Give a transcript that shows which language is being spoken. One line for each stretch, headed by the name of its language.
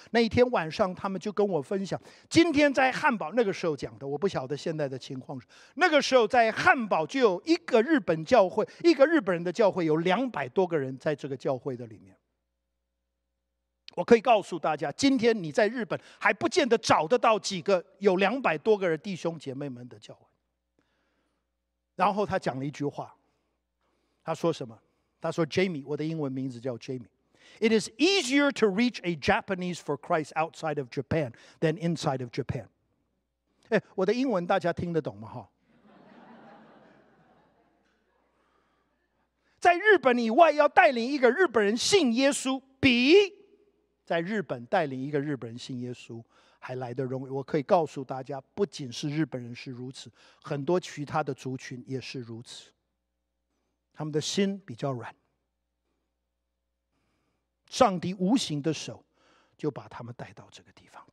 Chinese: 那一天晚上他们就跟我分享，今天在汉堡，那个时候讲的，我不晓得现在的情况，那个时候在汉堡就有一个日本教会，一个日本人的教会有200多个人在这个教会的里面。我可以告诉大家，今天你在日本还不见得找得到几个有200多个人弟兄姐妹们的教会。然后他讲了一句话，他说什么？他说
English: Jamie，
Chinese: 我的英文名字叫
English: Jamie， It is easier to reach a Japanese for Christ outside of Japan than inside of Japan。
Chinese: 我的英文大家听得懂吗？在日本以外要带领一个日本人信耶稣，比在日本带领一个日本人信耶稣还来得容易。我可以告诉大家，不仅是日本人是如此，很多其他的族群也是如此，他们的心比较软，上帝无形的手就把他们带到这个地方。